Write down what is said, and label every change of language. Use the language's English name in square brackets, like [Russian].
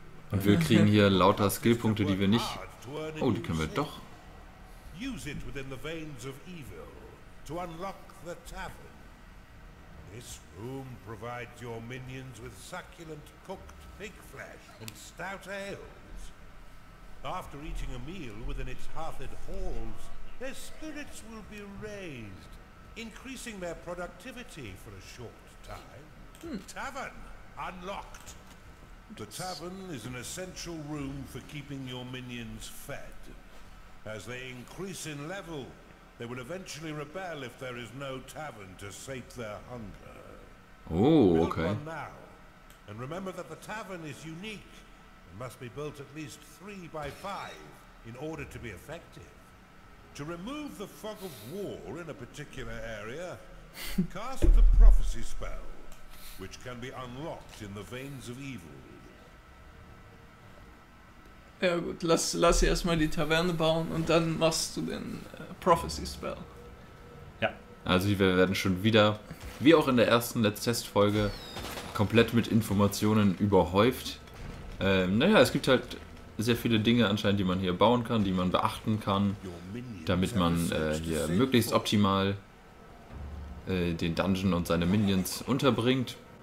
[German] Und wir kriegen hier lauter Skillpunkte, die wir nicht... Oh, die können wir doch. [English] Use it within the veins of evil to unlock the tavern. This room provides your minions with succulent cooked pig flesh and stout ales. After eating a meal within its hearthed halls, their spirits will be raised, increasing their productivity for a short time. Tavern unlocked. The tavern is an essential room for keeping your minions fed. As they increase in level, they will eventually rebel if there is no tavern to sate their hunger. Oh, okay. Build one now. And remember that the tavern is unique and must be built at least 3x5 in order to be effective. To remove the fog of war in a particular area, cast the prophecy spell, which can be unlocked in the veins of evil. [German] Ja gut, lass erstmal die Taverne bauen und dann machst du den Prophecy Spell. Ja. Also wir werden schon wieder, wie auch in der ersten Let's Test Folge, komplett mit Informationen überhäuft. Es gibt halt sehr viele Dinge anscheinend, die man hier bauen kann, die man beachten kann, damit man hier möglichst optimal den Dungeon und seine Minions unterbringt.